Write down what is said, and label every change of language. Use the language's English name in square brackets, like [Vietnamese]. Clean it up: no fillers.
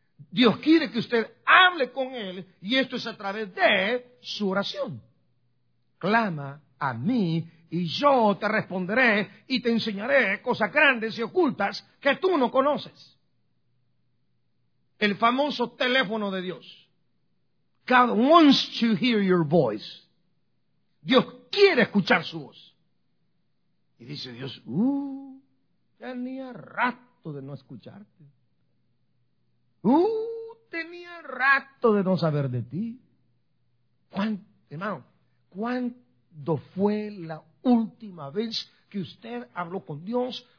[Spanish] Dios quiere que usted hable con Él, y esto es a través de su oración. Clama a mí, y yo te responderé y te enseñaré cosas grandes y ocultas que tú no conoces. El famoso teléfono de Dios. [English] God wants to hear your voice. [Spanish] Dios quiere escuchar su voz. Y dice Dios, tenía rato de no escucharte. Tenía rato de no saber de ti. Hermano, ¿cuándo fue la última vez que usted habló con Dios?